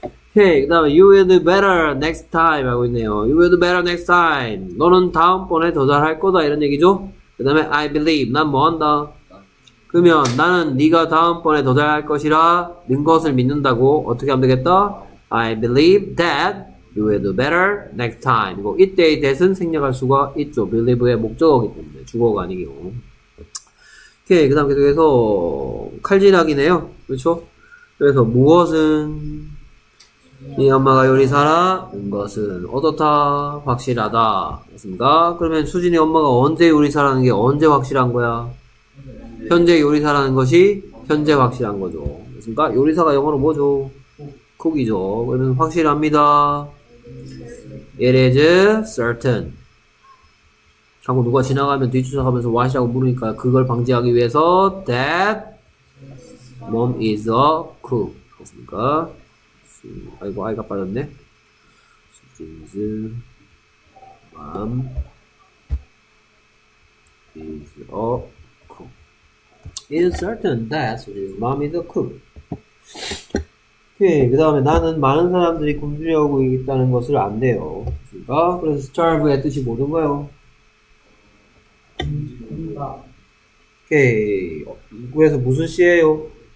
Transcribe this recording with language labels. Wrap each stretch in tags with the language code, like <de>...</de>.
<en>Okay,</en> <ko>그 다음에</ko> <en>You will do better next time</en> <ko>하고 있네요.</ko> <en>You will do better next time.</en> <ko>너는 다음번에 더 잘할 거다 이런 얘기죠. 그 다음에 I believe. 난 뭐 한다. 그러면 나는 네가 다음번에 더 잘할 것이라 는 것을 믿는다고 어떻게 하면 되겠다?</ko> <en>I believe that you will do better next time.</en> <ko>이거 이때의 that은 생략할 수가 있죠. believe의 목적어이기 때문에 주어가 아니기 때문에. 오케이, 그 다음 계속해서 칼질하기네요. 그렇죠? 그래서 무엇은 네 엄마가 요리사라? 는 것은 어떻다? 확실하다. 맞습니까? 그러면 수진이 엄마가 언제 요리사라는 게 언제 확실한 거야? 현재 요리사라는 것이 현재 확실한 거죠. 그러니까 요리사가 영어로 뭐죠? 쿡이죠. 그러면 확실합니다.</ko> <en>It is certain.</en> <ko>자꾸 누가 지나가면 뒤쫓아가면서 what이라고 물으니까 그걸 방지하기 위해서</ko> <en>that mom is a cook.</en> <ko>그렇습니까? 아이고 아이가 빠졌네.</ko> <en>Is mom is a It's certain that his mom is a cook.</en> <ko>오케이, 그 다음에 나는 많은 사람들이 굶주려고 있다는 것을 안대요. 그러니까 그래서 starve의 뜻이 뭐든가요? 오케이, 그래서 무슨 시예요?</ko>